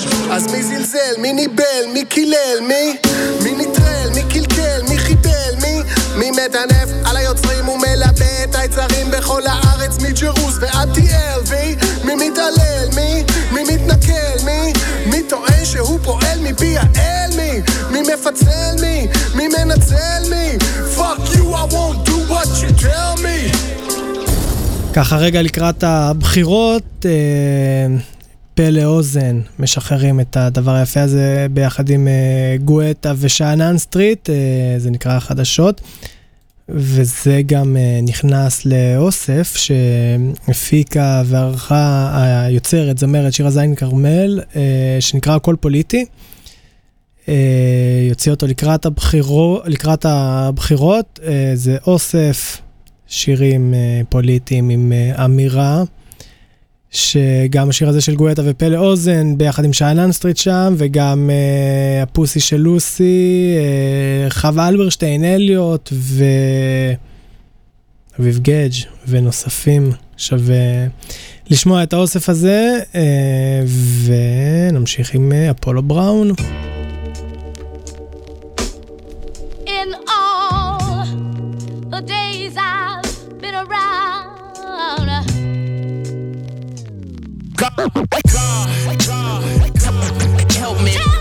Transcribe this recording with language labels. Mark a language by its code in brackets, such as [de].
[he] אז מי זלזל? מי ניבל? מי קילל? מי? מי נטרל? מי קלקל? מי חיבל? מי? מי מתענף על היוצרים ומלבה את היצרים בכל הארץ מג'רוס ועד TLV? מי מתעלל? מי? מי מתנכל? מי? מי טוען שהוא פועל מפי האל? מי? מי מפצל? מי? מי מנצל? מי? [en] Fuck you, I won't do what you tell me. [he] ככה רגע לקראת הבחירות, פה לאוזן, משחררים את הדבר היפה הזה ביחד עם גואטה ושאנן סטריט, זה נקרא החדשות, וזה גם נכנס לאוסף שהפיקה וערכה היוצרת זמרת שירה זיין כרמל, שנקרא הכל פוליטי, יוציא אותו לקראת הבחירות, זה אוסף שירים פוליטיים עם אמירה, שגם השיר הזה של גואטה ופלא אוזן ביחד עם שאנן סטריט שם, וגם הפוסי של לוסי, חווה אלברשטיין, אליוט ואביב גדג' ונוספים, שווה לשמוע את האוסף הזה, ונמשיך עם אפולו בראון. [en] In all the days I've been around, help me